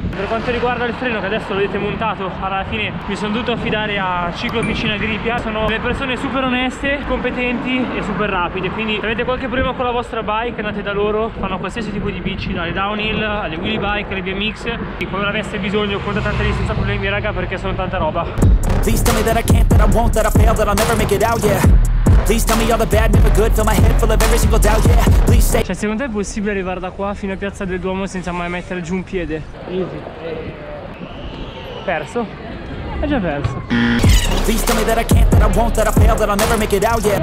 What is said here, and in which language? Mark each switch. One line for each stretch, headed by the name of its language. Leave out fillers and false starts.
Italian: Per quanto riguarda il freno, che adesso l'avete montato, alla fine mi sono dovuto affidare a Ciclo Piscina Gripia. Sono delle persone super oneste, competenti e super rapide. Quindi se avete qualche problema con la vostra bike, andate da loro. Fanno qualsiasi tipo di bici, dalle downhill alle wheelie bike, alle BMX. E quando aveste bisogno, contattate lì senza problemi, raga, perché sono tanta roba.
English: Please tell me that I can't, that I won't, that I fail, that I'll never make it out, yeah. Please tell me all the bad, never good, fill my head full of every single doubt, yeah. Please say.
Italian: Cioè, secondo te è possibile arrivare da qua fino a Piazza del Duomo senza mai mettere giù un piede?
English: Easy.
Italian: Perso? È già perso.
English: Please tell me that I can't, that I won't, that I fail, that I'll never make it out, yeah.